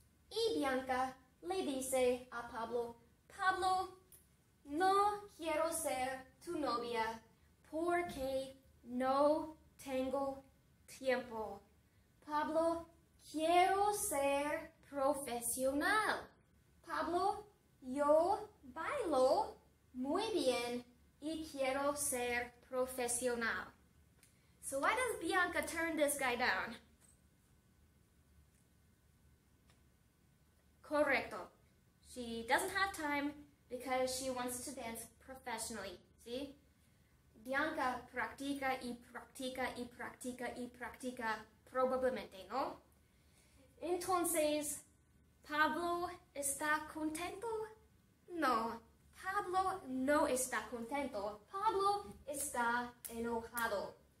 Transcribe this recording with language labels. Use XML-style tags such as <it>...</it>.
<es>Y Bianca le dice a Pablo, Pablo, no quiero ser tu novia porque no tengo tiempo. Pablo, quiero ser profesional. Pablo, yo bailo muy bien y quiero ser profesional.</es> <en>So why does Bianca turn this guy down?</en> <es>Correcto.</es> <en>She doesn't have time because she wants to dance professionally. See?</en> <es>Bianca practica y practica y practica y practica probablemente, ¿no? Entonces, ¿Pablo está contento? No, Pablo no está contento. Pablo está enojado.</es>